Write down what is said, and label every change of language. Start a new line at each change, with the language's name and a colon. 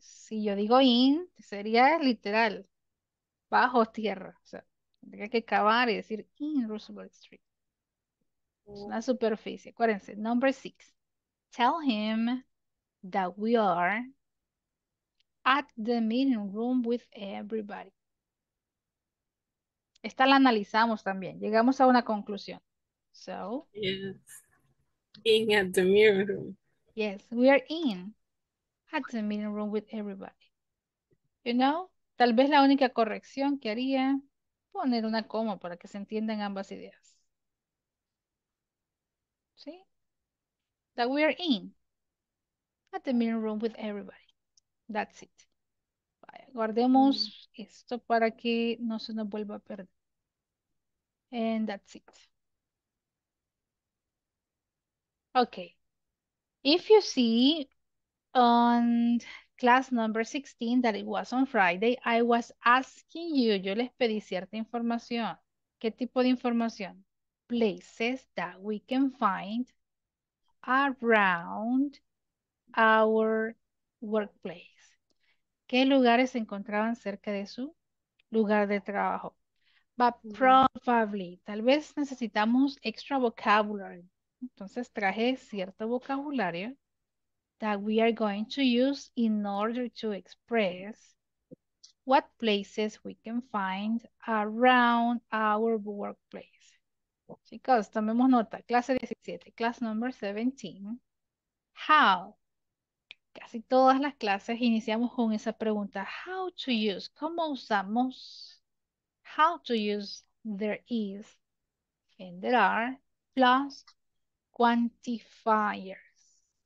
Spanish: Si yo digo in, sería literal bajo tierra, o sea, tendría que cavar y decir in Roosevelt Street. Es una superficie. Acuérdense,
English: number six. Tell him that we are at the meeting room with everybody.
Spanish: Esta la analizamos también. Llegamos a una conclusión. So.
English: Yes. In at the meeting room. Yes, we are in at the meeting room with everybody. You know?
Spanish: Tal vez la única corrección que haría poner una coma para que se entiendan ambas ideas. ¿Sí?
English: That we are in at the meeting room with everybody. That's it.
Spanish: Guardemos esto para que no se nos vuelva a perder.
English: And that's it. Okay. If you see on class number 16 that it was on Friday, I was asking you,
Spanish: yo les pedí cierta información. ¿Qué tipo de información?
English: Places that we can find around our workplace.
Spanish: ¿Qué lugares se encontraban cerca de su lugar de trabajo?
English: But probably,
Spanish: tal vez necesitamos
English: extra vocabulary.
Spanish: Entonces traje cierto vocabulario
English: that we are going to use in order to express what places we can find around our workplace.
Spanish: Chicos, tomemos nota. Clase 17,
English: class number 17. How?
Spanish: Casi todas las clases iniciamos con esa pregunta.
English: How to use?
Spanish: ¿Cómo usamos?
English: How to use there is and there are plus quantifiers.